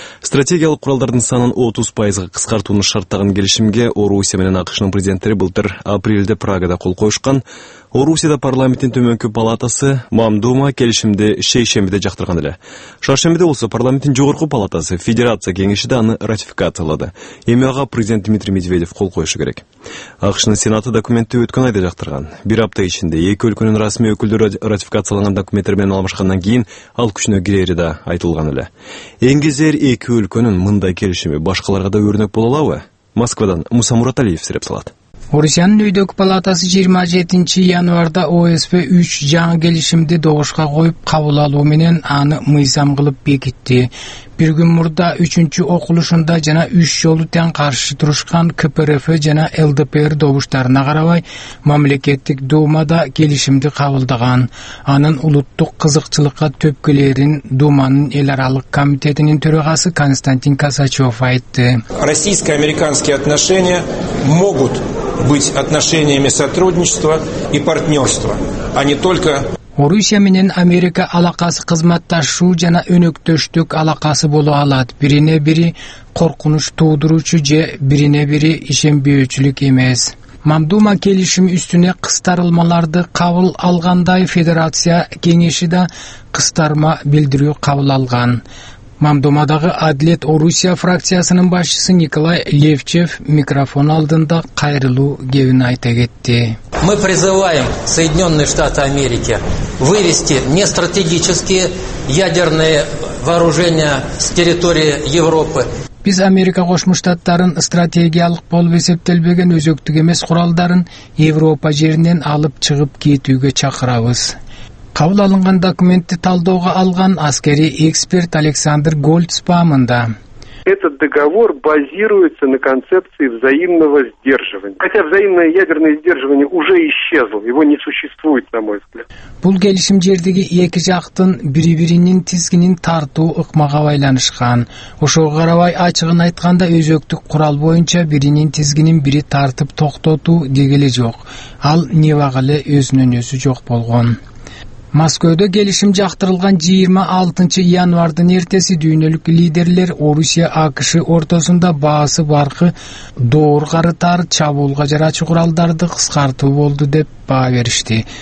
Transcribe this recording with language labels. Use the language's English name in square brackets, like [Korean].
[Kyrgyz] Стратегиялык куралдардын санын 30% кыскартууну шарттаган келишимге Орусия менен АКШнын президенттери былтыр апрелде Прагада кол коюшкан. Орусияда парламенттин төмөнкү палатасы Мамдума келишимди шейшембиде жактырган эле. Шаршембиде болсо парламенттин жогорку палатасы Федерация кеңешиде аны ратификациялады. Эми ага президент Дмитрий Медведев кол коюшу керек. АКШнын сенаты документти өткөн айда жактырган. Бир апта ичинде эки өлкөнүн расмий өкүлдөрү ратификациялаган документтер менен алмашкандан кийин ал күчүнө кирери да айтылган эле. Эңгезер эки өлкөнүн мындай келишими башкаларга да өрнөк боло алабы? Москвадан Муса Мураталиев сүйлөп салат. Орусиянын өйдөкү палатасы 27 январда ОСП 3 жаңы келишимди добушка коюп кабыл алуу менен аны мыйзам кылып бекитти. Бир күн мурда 3-чү окулушунда жана 3 жолу тең каршы турушкан КПРФ жана ЛДПР добуштарына карабай мамлекеттик думада келишимди кабылдаган. Анын улуттук кызыкчылыкка төпкөлөрүн думанын эл аралык комитетинин төрагасы Константин Касачев айтты. [Russian] Российско-американские отношения могут быть отношениями сотрудничества и партнерства, а не только... [Kyrgyz] Орусия менен Америка алакасы кызматташуу жана өнөктөштүк алакасы боло алат. Бирине бири коркунуч туудуруучу же бирине бири ишенбөөчүлүк эмес. Мамдума келишими үстүнө кыстарылмаларды кабыл алгандай Федерация кеңеши да кыстарма билдирүү кабыл алган. Мамдумадагы Адилет Орусия фракциясынын башчысы Николай Левчев микрофон алдында кайрылуу кебин айта кетти. [Russian] Мы призываем Соединенные Штаты Америки вывести нестратегические ядерные вооружения с территории Европы. [Kyrgyz] Биз Америка Кошмо Штаттарын стратегиялык болуп эсептелбеген өзөктүк эмес куралдарын Европа жеринен алып чыгып кетүүгө чакырабыз. Кабыл алынган документти талдоого алган аскерий эксперт Александр Гольцбаумда. [Russian] Этот договор базируется на концепции взаимного сдерживания. Хотя взаимное ядерное сдерживание уже исчезло, его не существует, на мой взгляд. [Kyrgyz] Бул келишим жердеги эки жактын бири-биринин тизгинин тартуу ыкмага байланышкан. Ошого карабай ачыгын айтканда өзөктүк курал боюнча биринин тизгинин бири тартып токтотуу дегеле жок. Ал небага эле өзүнөн өзү жок болгон. Москвада келишим жактырылган 26 январдын эртеси дүйнөлүк лидерлер Орусия АКШ ортосунда баасы баркы доор карытар чабуулга жарачу куралдарды кыскартуу болду деп баа беришти.